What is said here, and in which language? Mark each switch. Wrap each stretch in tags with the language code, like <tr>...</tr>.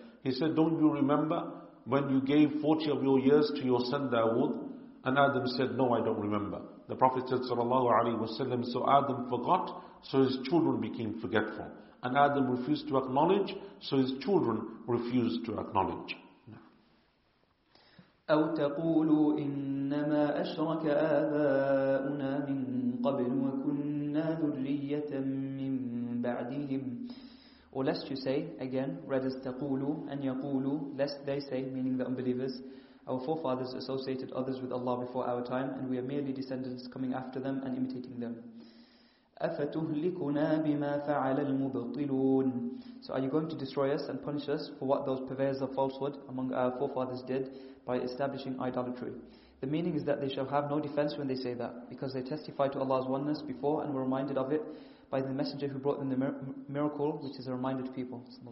<en>He said, "Don't you remember when you gave 40 of your years to your son Dawood?" And Adam said, "No, I don't remember." The Prophet said, sallallahu alayhi wa sallam, so Adam forgot, so his children became forgetful. And Adam refused to acknowledge, so his children refused to acknowledge.</en> <ar>أو تقول إنما أشرك آباؤنا من قبل وكنا ذرية من بعدهم.</ar> <en>Or lest you say, again, rather تقول and يقول, lest they say, meaning the unbelievers, our forefathers associated others with Allah before our time, and we are merely descendants coming after them and imitating them.</en> <ar>أفتهلكنا بما فعل المبطلون.</ar> <en>So are you going to destroy us and punish us for what those purveyors of falsehood among our forefathers did by establishing idolatry? The meaning is that they shall have no defense when they say that, because they testified to Allah's oneness before and were reminded of it by the messenger who brought them the miracle, which is a reminder to people.</en>